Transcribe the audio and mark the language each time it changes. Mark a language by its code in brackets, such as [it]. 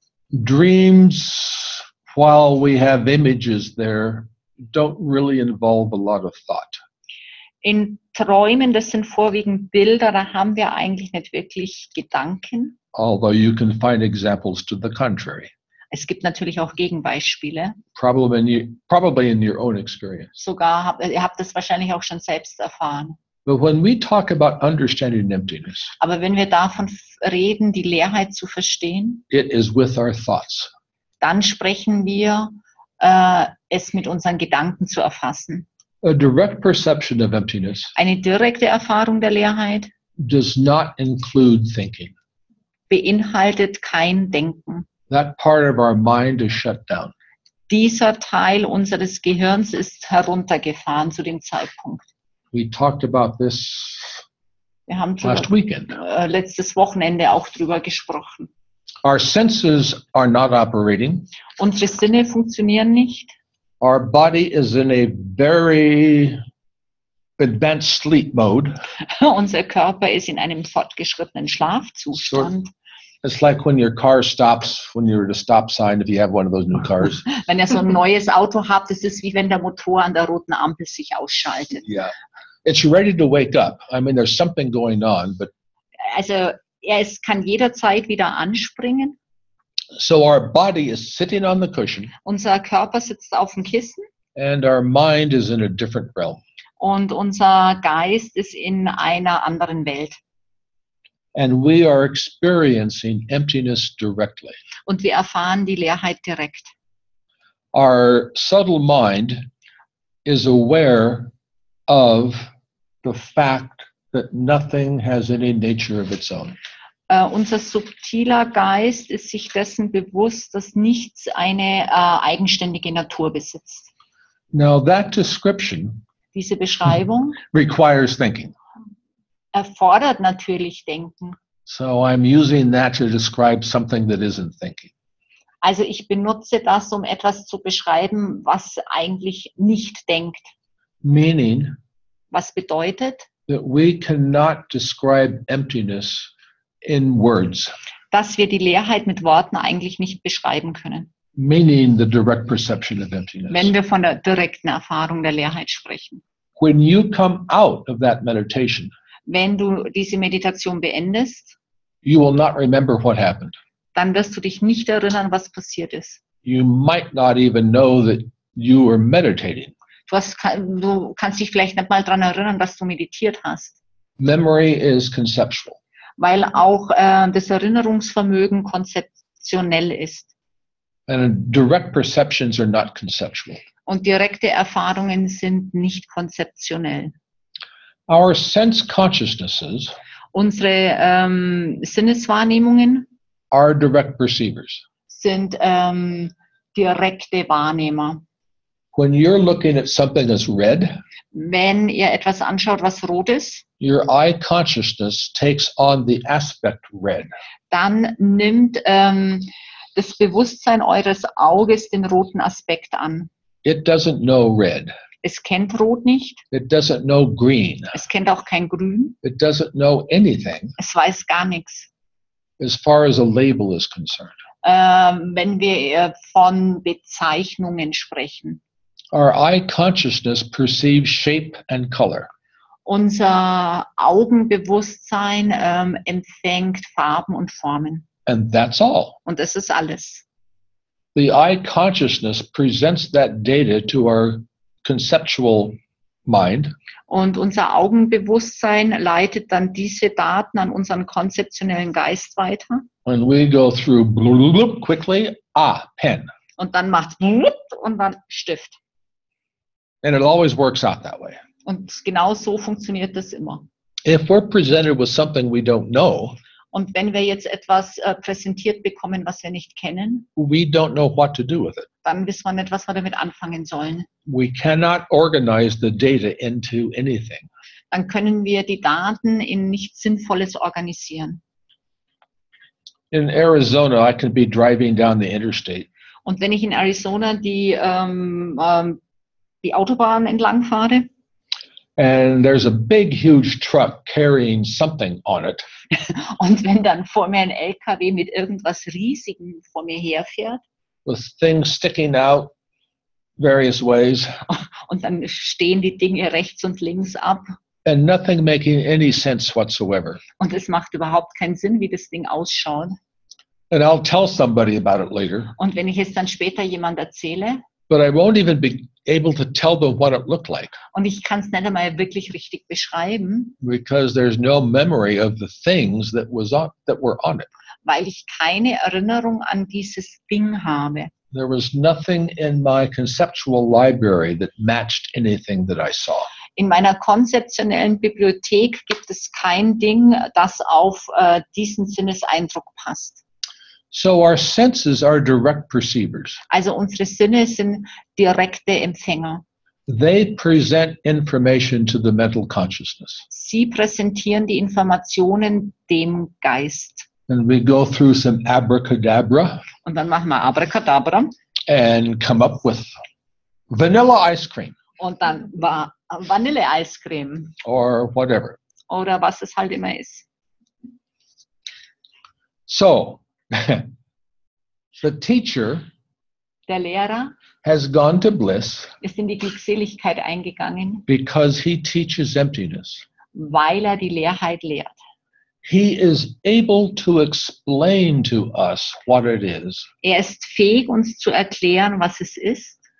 [en] Dreams, while we have images there, don't really involve a lot of thought. [de] In Träumen, das sind vorwiegend Bilder, da haben wir eigentlich nicht wirklich Gedanken. [en] Although you can find examples to the contrary. [de] Es gibt natürlich auch Gegenbeispiele. [en] Probably in your own experience. [de] Sogar, ihr habt das wahrscheinlich auch schon selbst erfahren. [en] But when we talk about understanding emptiness, [de] aber wenn wir davon reden, die Leerheit zu verstehen, [en] it is with our thoughts. [de] Dann sprechen wir, es mit unseren Gedanken zu erfassen. [en] A direct perception of emptiness, [de] eine direkte Erfahrung der Leerheit, [en] does not include thinking. [de] Beinhaltet kein Denken. [en] That part of our mind is shut down. [de] Dieser Teil unseres Gehirns ist heruntergefahren zu dem Zeitpunkt. [en] We talked about this last weekend. [de] Letztes Wochenende auch drüber gesprochen. [en] Our senses are not operating. [de] Unsere Sinne funktionieren nicht. [en] Our body is in a very advanced sleep mode. [de] Unser Körper ist in einem fortgeschrittenen Schlafzustand. So, [en] it's like when your car stops, when you're at a stop sign, if you have one of those new cars. [de] Wenn ihr so ein neues Auto habt, ist es wie wenn der Motor an der roten Ampel sich ausschaltet. [en] Yeah. It's ready to wake up. I mean, there's something going on, but. [de] Also, es kann jederzeit wieder anspringen. [en] So our body is sitting on the cushion. [de] Unser Körper sitzt auf dem Kissen. [en] And our mind is in a different realm. [de] Und unser Geist ist in einer anderen Welt. [en] And we are experiencing emptiness directly. [de] Und wir erfahren die Leerheit direkt. [en] Our subtle mind is aware of the fact that nothing has any nature of its own. [de] Unser subtiler Geist ist sich dessen bewusst, dass nichts eine eigenständige Natur besitzt. [en] Now that description [de] diese Beschreibung [en] requires thinking. [de] Erfordert natürlich Denken. [en] So I'm using that to describe something that isn't thinking. [de] Also ich benutze das, um etwas zu beschreiben, was eigentlich nicht denkt. [en] Meaning. [de] Was bedeutet? [en] that we cannot describe emptiness in words. [de] Dass wir die Leerheit mit Worten eigentlich nicht beschreiben können. [en] Meaning the direct perception of emptiness. [de] Wenn wir von der direkten Erfahrung der Leerheit sprechen. [en] When you come out of that meditation, [de] wenn du diese Meditation beendest, [en] you will not remember what happened. [de] Dann wirst du dich nicht erinnern, was passiert ist. [en] You might not even know that you were meditating. [de] Du kannst dich vielleicht nicht mal daran erinnern, dass du meditiert hast. [en] Memory is conceptual. [de] Weil auch das Erinnerungsvermögen konzeptionell ist. [en] And direct perceptions are not conceptual. [de] Und direkte Erfahrungen sind nicht konzeptionell. [en] Our sense consciousnesses, [de] unsere Sinneswahrnehmungen, [en] are direct perceivers. [de] Sind direkte Wahrnehmer. [en] When you're looking at something that's red, [de] wenn ihr etwas anschaut, was rot ist, [en] your eye consciousness takes on the aspect red. [de] Dann nimmt das Bewusstsein eures Auges den roten Aspekt an. [en] It doesn't know red. [de] Es kennt rot nicht. [en] It doesn't know green. [de] Es kennt auch kein grün. [en] It doesn't know anything. [de] Es weiß gar nichts. [en] As far as a label is concerned. [de] Wenn wir von Bezeichnungen sprechen. [en] Our eye consciousness perceives shape and color. [de] Unser Augenbewusstsein empfängt Farben und Formen. [en] And that's all. [de] Und das ist alles. [en] The eye consciousness presents that data to our conceptual mind. [de] Und unser Augenbewusstsein leitet dann diese Daten an unseren konzeptionellen Geist weiter. [en] And we go through bloop quickly, pen. [de] Und dann macht bloop und dann Stift. [en] And it always works out that way. [de] Und genau so funktioniert das immer. [en] If we're presented with something we don't know, [de] und wenn wir jetzt etwas präsentiert bekommen, was wir nicht kennen, [en] we don't know what to do with it. [de] Dann wissen wir nicht, was wir damit anfangen sollen. [en] We cannot organize the data into anything. [de] Dann können wir die Daten in nichts Sinnvolles organisieren. [en] In Arizona, I could be driving down the interstate. [de] Und wenn ich in Arizona die Autobahn entlang fahre, [en] and there's a big, huge truck carrying something on it. [de] Und wenn dann vor mir ein LKW mit irgendwas Riesigem vor mir herfährt. [en] With things sticking out various ways. [de] Und dann stehen die Dinge rechts und links ab. [en] And nothing making any sense whatsoever. [de] Und es macht überhaupt keinen Sinn, wie das Ding ausschaut. [en] And I'll tell somebody about it later. [de] Und wenn ich es dann später jemand erzähle. [en] But I won't even be able to tell them what it looked like. [de] Und ich kann es nicht einmal wirklich richtig beschreiben. [en] Because there's no memory of the things that was on, that were on it. [de] Weil ich keine Erinnerung an dieses Ding habe. [en] There was nothing in my conceptual library that matched anything that I saw. [de] In meiner konzeptionellen Bibliothek gibt es kein Ding, das auf diesen Sinneseindruck passt. [en] So our senses are direct perceivers. [de] Also unsere Sinne sind direkte Empfänger. [en] They present information to the mental consciousness. [de] Sie präsentieren die Informationen dem Geist. [en] And we go through some abracadabra. [de] Und dann machen wir Abracadabra. [en] And come up with vanilla ice cream. [de] Und dann Vanille-Eiscreme. [en] Or whatever. [de] Oder was es halt immer ist. [en] So. The teacher, [de] der Lehrer, [en] has gone to bliss, [de] ist in die Glückseligkeit eingegangen, [en] because he teaches emptiness, [de] weil er die Leerheit lehrt. [en] He is able to explain to us what it is. [de] Er ist fähig, uns zu erklären, was es ist,